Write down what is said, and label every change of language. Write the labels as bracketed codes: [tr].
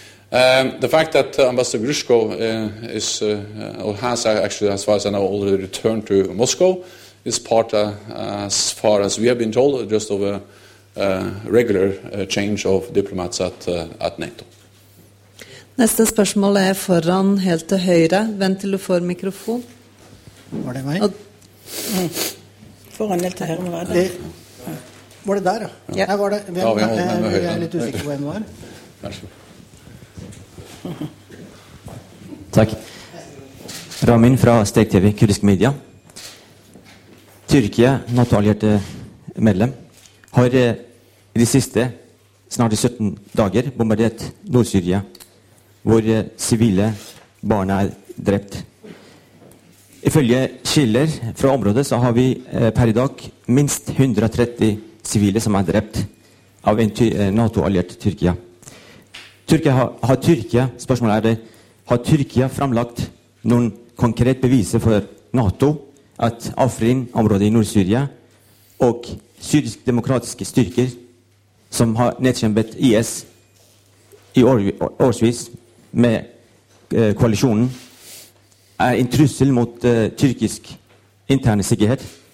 [en] The fact that Ambassador Grushko as far as I know, already returned to Moscow is part, as far as we have been told, just of a regular change of diplomats at NATO. [no] Neste spørsmål foran, helt til høyre. Vent til du får mikrofon. Var det meg? Foran, helt til høyre. Var det der, da? Ja. Her var det. Ja, vi holder med høyre. Jeg litt usikker på hvem var. Takk. Ramin fra Stek TV, kurdisk media. Tyrkia, NATO-allierte medlem, har i de siste snart 17 dager bombardert Nord-Syria, hvor sivile barna drept. Ifølge kilder fra området så har vi per i dag minst 130 sivile som drept av en NATO-alliert Tyrkia. Har Tyrkia framlagt noen konkret beviser for NATO [sv] att Afrin området i Nordsyria och syrisk demokratiska styrkor som har nedkämpat IS i årsvis med koalitionen är en trussel mot turkisk intern säkerhet.